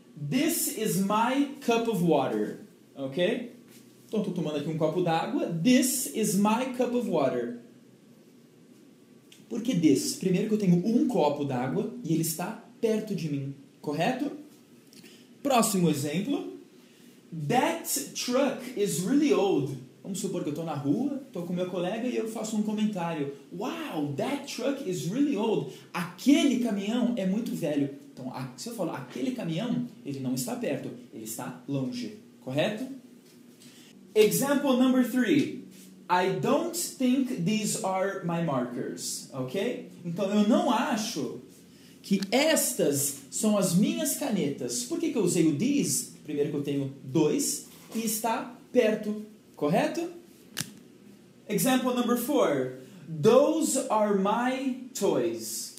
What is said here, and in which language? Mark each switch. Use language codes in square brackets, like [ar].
[en] This is my cup of water. Ok? [pt] Então, estou tomando aqui um copo d'água. [en] This is my cup of water. [pt] Por que this? Primeiro que eu tenho um copo d'água e ele está perto de mim. Correto? Próximo exemplo. [en] That truck is really old. [pt] Vamos supor que eu estou na rua, estou com meu colega e eu faço um comentário. [en] Wow, that truck is really old. [pt] Aquele caminhão é muito velho. Então, se eu falo aquele caminhão, ele não está perto, ele está longe. Correto? [en] Example number three. I don't think these are my markers. Ok? [pt] Então, eu não acho que estas são as minhas canetas. Por que eu usei o these? Primeiro que eu tenho dois e está perto. Correto? [en] Example number four. Those are my toys.